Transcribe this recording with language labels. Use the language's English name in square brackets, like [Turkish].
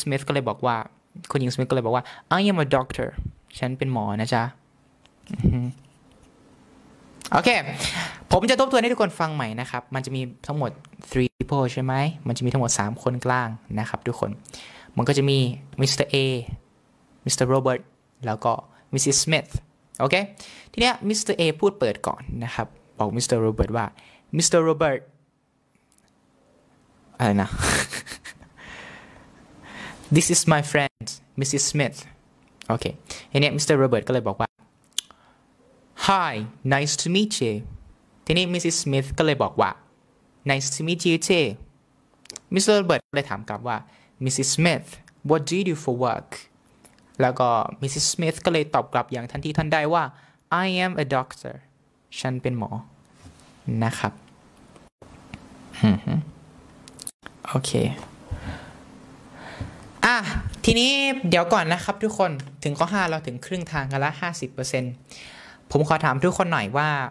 [Thai] Smith ก็เลยบอกว่าคุณหญิง Smith ก็เลยบอกว่า [English] I am a doctor [Thai] ฉันเป็นหมอนะจ๊ะโอเคผมจะทบทวนให้ทุกคนฟังใหม่นะครับมันจะมีทั้งหมด [English] 3 people [Thai] ใช่ไหมมันจะมีทั้งหมด3คนกลางนะครับทุกคนมันก็จะมี Mr. A Mr. Robert แล้วก็ Mrs. Smith โอเคทีเนี้ย Mr. A พูดเปิดก่อนนะครับบอก Mr. [English] Robert ว่า Mr. Robert [Thai] อะไรนะ [English] This is my friend Mrs. [Thai] Smith โอเคทีเนี้ย Mr. [English] Robert [Thai] ก็เลยบอกว่า [English] Hi, nice to meet you. ทีนี้ Mrs. Smith [Thai] ก็เลยบอกว่า [English] Nice to meet you too. Mr. [Thai] Robert ก็เลยถามกลับว่า Mrs. [English] Smith, what do you do for work? [Thai] แล้วก็ Mrs. [English] Smith [Thai] ก็เลยตอบกลับอย่างทันทีทันใดว่า [English] I am a doctor. [Thai] ฉันเป็นหมอนะครับโอเคทีนี้เดี๋ยวก่อนนะครับทุกคนถึงข้อ5เราถึงครึ่งทางกันละ 50%ผมขอถามทุกคนหน่อยว่า